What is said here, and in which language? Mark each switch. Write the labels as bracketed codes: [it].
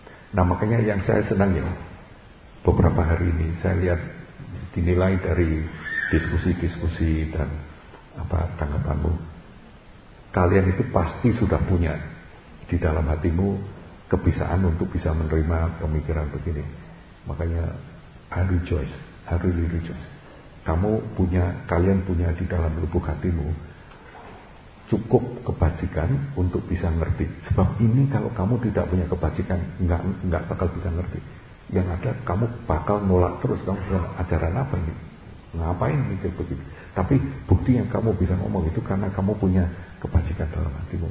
[id] Nah, makanya yang saya senang ya, beberapa hari ini saya lihat dinilai dari diskusi-diskusi dan apa tanggapanmu, kalian itu pasti sudah punya di dalam hatimu kebiasaan untuk bisa menerima pemikiran begini. Makanya [en] I rejoice, I really rejoice. [id] Kalian punya di dalam lubuk hatimu cukup kebajikan untuk bisa ngerti. Sebab ini kalau kamu tidak punya kebajikan, enggak bakal bisa ngerti. Yang ada kamu bakal nolak terus, kamu bilang, ajaran apa ini? Ngapain mikir begini? Tapi bukti yang kamu bisa ngomong itu karena kamu punya kebajikan dalam hatimu.